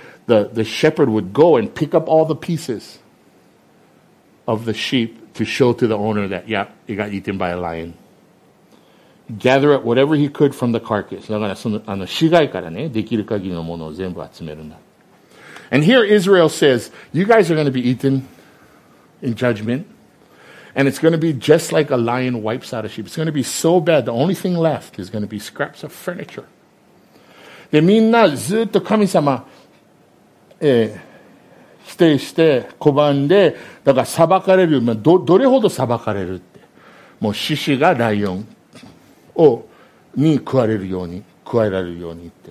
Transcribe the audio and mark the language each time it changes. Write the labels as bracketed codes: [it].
[en] The shepherd would go and pick up all the pieces of the sheep to show to the owner that, yeah, it got eaten by a lion. Gather up whatever he could from the carcass. [ja] だからその、あの、死骸からね、できる限りのものを全部集めるんだ。 [en] And here Israel says, you guys are going to be eaten in judgment. And it's going to be just like a lion wipes out a sheep. It's going to be so bad. The only thing left is going to be scraps of furniture. [ja] で、みんなずっと神様、否定して、拒んで、だから裁かれる。まあ、どれほど裁かれるって。もう獅子がライオンを、に食われるように、食われられるようにって。